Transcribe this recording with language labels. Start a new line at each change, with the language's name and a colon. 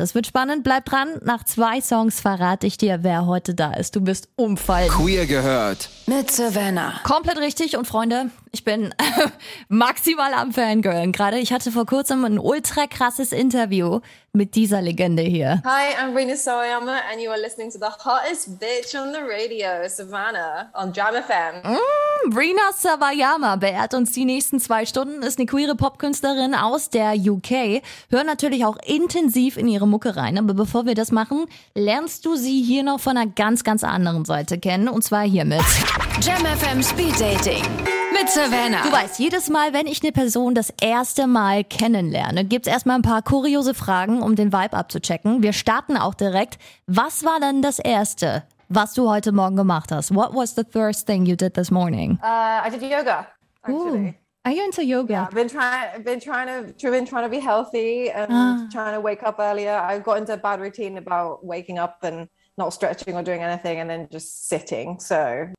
German: Es wird spannend, bleib dran. Nach zwei Songs verrate ich dir, wer heute da ist. Du wirst umfallen. Queer gehört. Mit Savannah. Komplett richtig und Freunde, ich bin maximal am Fangirlen gerade. Ich hatte vor kurzem ein ultra krasses Interview mit dieser Legende hier.
English: Hi, I'm Rina Soyama and you are listening to the hottest bitch on the radio, Savannah, on Jam FM.
German: Rina Savayama beehrt uns die nächsten zwei Stunden, ist eine queere Popkünstlerin aus der UK. Hör natürlich auch intensiv in ihre Mucke rein, aber bevor wir das machen, lernst du sie hier noch von einer ganz, ganz anderen Seite kennen und zwar hiermit. Jam FM Speed Dating. Mit Savannah. Du weißt, jedes Mal, wenn ich eine Person das erste Mal kennenlerne, gibt's erstmal ein paar kuriose Fragen, um den Vibe abzuchecken. Wir starten auch direkt. Was war denn das Erste, was du heute Morgen gemacht hast?
English: What was the first thing you did this morning? I did yoga, actually. Ooh. Are you into yoga? Yeah, been trying to be healthy and trying to wake up earlier. I got into a bad routine about waking up and not stretching or doing anything and then just sitting, so.